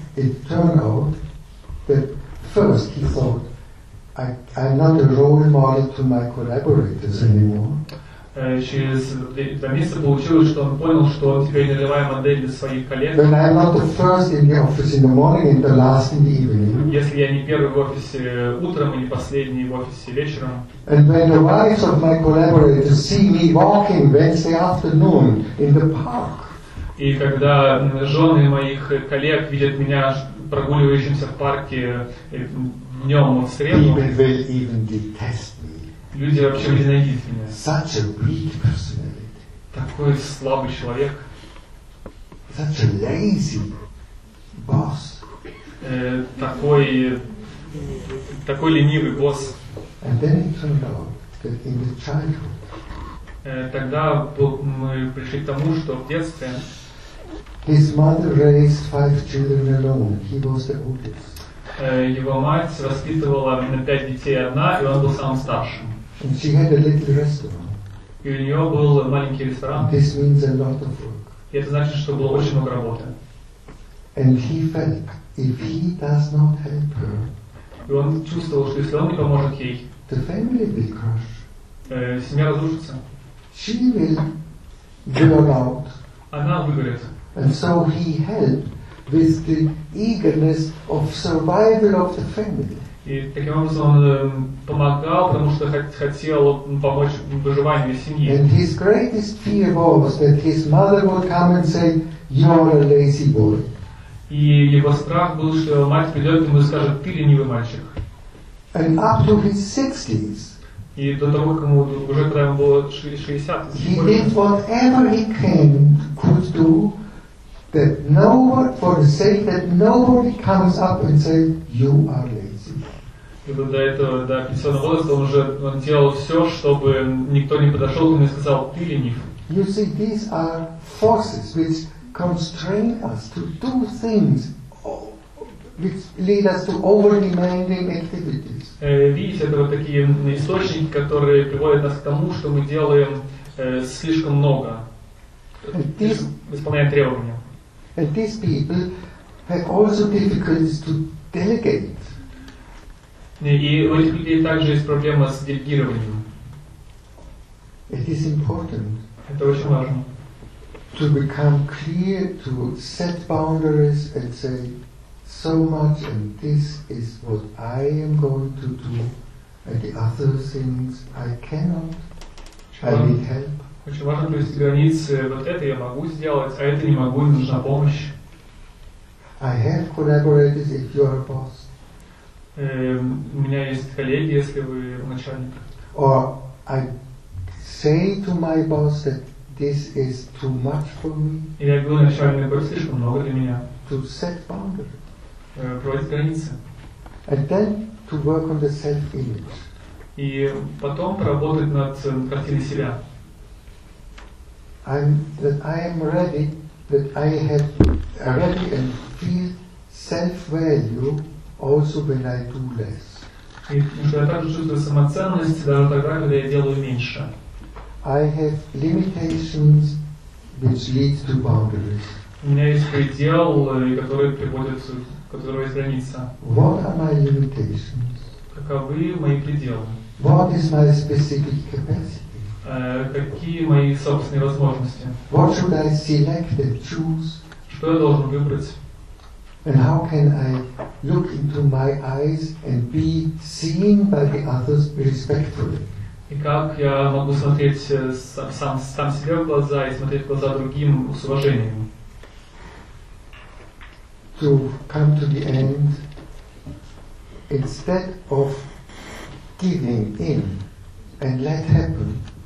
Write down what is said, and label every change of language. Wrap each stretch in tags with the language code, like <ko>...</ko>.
<en>it turned out that first he thought, I'm not a role model to my collaborators anymore.</en> <ru>Через 2 месяца получилось, что он понял, что он теперь не ролевая модель для своих коллег.</ru> <en>When I'm not the first in the office in the morning and the last in the evening.</en> <ru>Если я не первый в офисе утром и не последний в офисе вечером.</ru> <en>And when the wives of my collaborators see me walking Wednesday afternoon in the park.</en> <ru>И когда жены моих коллег видят меня прогуливающимся в парке днем в среду.</ru> <en>People will even detest me.</en> <ru>Люди вообще ненавидят меня.</ru> <en>Such a weak personality.</en> <ru>Такой слабый человек.</ru> <en>Such a lazy boss.</en> <ru>Такой такой ленивый босс.</ru> <en>And then it turned out that in the childhood,</en> <ru>тогда мы пришли к тому, что в детстве</ru> <en>his mother raised five children alone. He was the oldest.</en> <ru>Его мать воспитывала на 5 детей одна, и он был самым старшим.</ru> <en>And she had a little restaurant.</en> <ru>И у нее был маленький ресторан.</ru> <en>This means a lot of work.</en> <ru>И это значит, что было очень много работы.</ru> <en>And he felt if he does not help her,</en> <ru>и он чувствовал, что если он не поможет ей,</ru> <en>the family will crush.</en> <ru>Семья разрушится.</ru> <en>She will give out.</en> <ru>Она выгорит.</ru> <en>And so he helped with the eagerness of survival of the family.</en> <ru>И таким образом он помогал, потому что хотел помочь выживанию семьи.</ru> <en>And his greatest fear was that his mother would come and say, "You're a lazy boy."</en> <ru>И его страх был, что его мать придет ему и скажет, ты ленивый мальчик.</ru> <en>And up to his 60s,</en> <ru>и до того, как ему, уже когда ему было 60,</ru> <en>he did whatever he can, could do, that nobody, for the sake that nobody comes up and say, you are lazy.</en> <ru>И вот до этого, до пенсионного возраста, он уже делал все, чтобы никто не подошел к нему и сказал, ты ленив.</ru> <en>You see, these are forces which constrain us to do things which lead us to over-demanding activities.</en> <ru>Видите, это вот такие источники, которые приводят нас к тому, что мы делаем слишком много, исполняя требования.</ru> <en>And these people have also difficulties to delegate.</en> <ru>И у этих людей также есть проблема с делегированием.</ru> <en>It is important.</en> <ru>Это очень важно.</ru> <en>To become clear, to set boundaries and say so much and this is what I am going to do and the other things I cannot, I need help.</en> <ru>Очень важно провести границы, вот это я могу сделать, а это не могу, и нужна помощь.</ru> <en>I have collaborators if you are a boss.</en> <ru>У меня есть коллеги, если вы начальник.</ru> <en>Or I say to my boss that this is too much for me.</en> <ru>Или я говорю начальнику, это слишком много для меня.</ru> <en>To set boundaries.</en> <ru>Проводить границы.</ru> <en>And then to work on the self-image.</en> <ru>И потом поработать над картиной себя.</ru> <en>I am ready and feel self-value also when I do less.</en> <ru>И я также чувствую самоценность даже тогда, когда я делаю меньше.</ru> <en>I have limitations which lead to boundaries.</en> <ru>У меня есть пределы, которые приводят, которые есть граница.</ru> <en>What are my limitations?</en> <ru>Каковы мои пределы?</ru> <en>What is my specific capacity?</en> <ru>Какие мои собственные возможности?</ru> <en>What should I select and choose?</en> <ru>Что я должен выбрать?</ru> <en>And how can I look into my eyes and be seen by the others respectfully?</en> <ru>И как я могу смотреть сам себе в глаза и смотреть в глаза другим с уважением?</ru> <en>To come to the end, instead of giving in and let happen.</en>